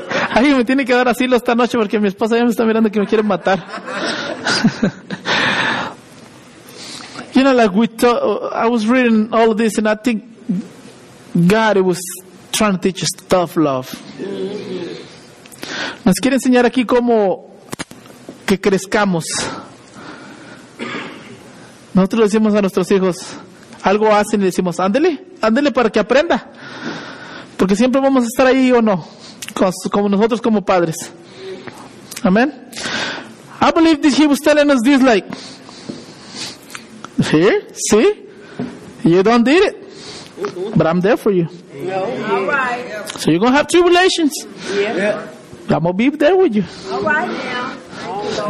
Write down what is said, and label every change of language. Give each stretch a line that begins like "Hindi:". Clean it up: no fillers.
Spanish: Ay, me tiene que dar asilo esta noche porque mi esposa ya me está mirando que me quiere matar.
English: You know, like I was reading all of this, and I think God, it was trying to teach us tough love.
Spanish: Nos quiere enseñar aquí cómo que crezcamos. Nosotros decimos a nuestros hijos, algo hacen y decimos, ándele para que aprenda. Porque siempre vamos a estar ahí o no, como nosotros como padres. Amén.
English: I believe that he was telling us this, like, here, see, you don't need it, but I'm there for you. No. All right. So you're going to have tribulations. Yeah. I'm going to be there with you. All right, now.